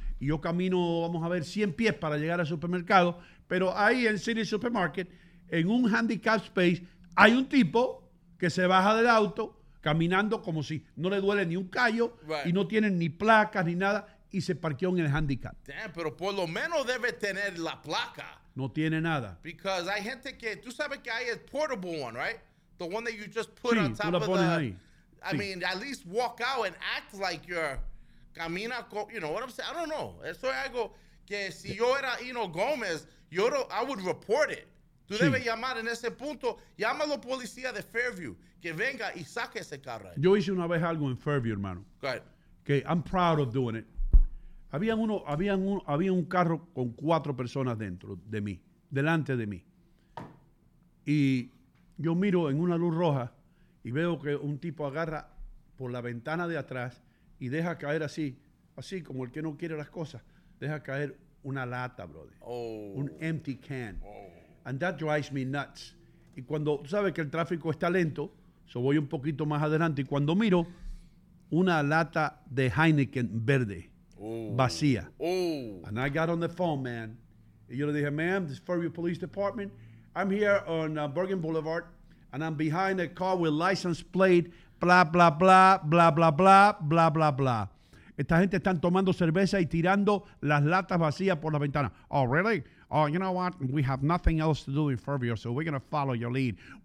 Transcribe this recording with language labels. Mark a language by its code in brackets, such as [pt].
[es] Y yo camino, vamos a ver, 100 pies para llegar al supermercado. Pero ahí en City Supermarket, en un handicap space, hay un tipo que se baja del auto caminando como si no le duele ni un callo y no tiene ni placas ni nada y se parqueó en el handicap. Damn, pero por lo menos debe tener la placa. No tiene nada. [en] Because [es] hay gente que, tú sabes que hay el [en] portable one, right? The one that you just put on top of the... [es] Ahí. [en] I mean, at least walk out and act like you're... Camina, you know what I'm saying? I don't know. [es] Eso es algo que si yo era Ino Gomez... [en] I would report it. [es] Tú debes llamar en ese punto. Llama a la policía de Fairview que venga y saque ese carro. Yo hice una vez algo en Fairview, hermano. [en] Go ahead. Que I'm proud of doing it. [es] Había un carro con cuatro personas dentro de mí, delante de mí. Y yo miro en una luz roja y veo que un tipo agarra por la ventana de atrás y deja caer así como el que no quiere las cosas. Deja caer una lata, brother. Oh. [en] Un empty can. Oh. And that drives me nuts. [es] Y cuando, tú sabes que el tráfico está lento, so voy un poquito más adelante, y cuando miro, una lata de Heineken verde, vacía. Oh. [en] And I got on the phone, man. [es] Y yo le dije, [en] ma'am, this is Fairview Police Department. I'm here on Bergen Boulevard, and I'm behind a car with license plate, blah, blah, blah, blah, blah, blah, blah, blah, blah. [es] Esta gente están tomando cerveza y tirando las latas vacías por la ventana. [en] Oh, really? Oh, you know what? We have nothing else to do in Fairview, so we're going to follow your lead.